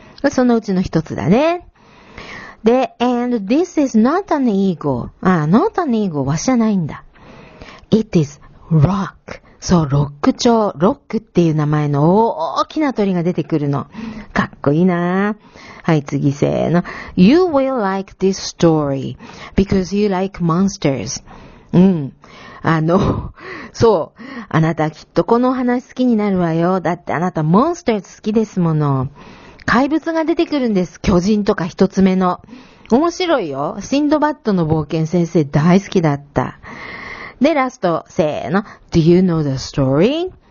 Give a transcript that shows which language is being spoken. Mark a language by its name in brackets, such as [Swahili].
[English] そのうちの一つだね。で、and this is not an eagle. あ、not an eagle. わしじゃないんだ。 It is rock. [Japanese] そう、ロック鳥。ロックっていう名前の大きな鳥が出てくるの。かっこいいな。はい、次せーの。 [English] You will like this story because you like monsters. [Japanese] うん。あの、そう。あなたきっとこの話好きになるわよ。だってあなたモンスターズ好きですもの。怪物が出てくるんです。巨人とか一つ目の。面白いよ。シンドバッドの冒険先生大好きだった。 [English] で、ラスト、せーの。 Do you know the story?